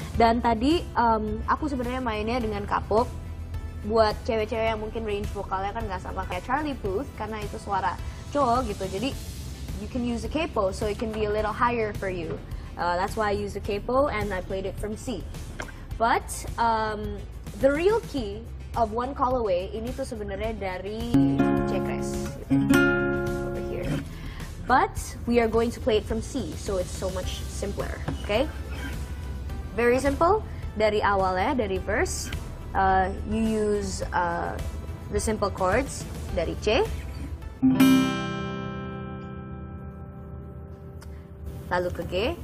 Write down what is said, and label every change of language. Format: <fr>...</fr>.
<id>Dan tadi aku sebenarnya mainnya dengan kapuk buat cewek-cewek yang mungkin range vokalnya kan nggak sama kayak Charlie Puth karena itu suara cowok gitu.</id> <en>Jadi you can use a capo so it can be a little higher for you. That's why I used a capo and I played it from C. But the real key of One Call Away</en> <id>ini tuh sebenarnya dari</id> <en>C chord over here. But we are going to play it from C, so it's so much simpler. Okay? Very simple.</en> <id>Dari awalnya, dari verse,</id> <en>you use the simple chords dari C.</en> <id>Lalu ke G.</id>